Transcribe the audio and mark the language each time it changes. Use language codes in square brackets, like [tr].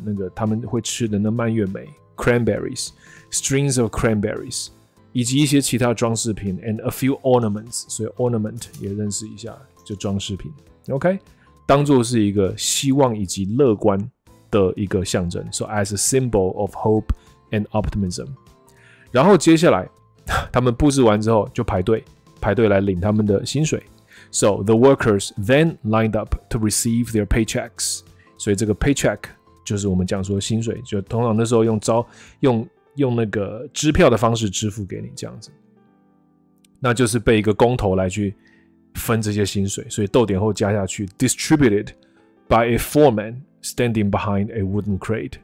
[zh] 那个他们会吃的那蔓越莓 [en] （cranberries, strings of cranberries）， [zh] 以及一些其他装饰品 ， [en] and a few ornaments。 [zh] 所以 ornament 也认识一下，就装饰品。 OK， 当作是一个希望以及乐观的一个象征。 [en] So as a symbol of hope and optimism。 [zh] 然后接下来他们布置完之后就排队来领他们的薪水。 [en] So the workers then lined up to receive their paychecks. [zh] 所以这个 paycheck 就是我们讲说薪水，就通常那时候用那个支票的方式支付给你这样子。那就是被一个工头来去分这些薪水，所以逗点后加下去 [en] distributed by a foreman standing behind a wooden crate.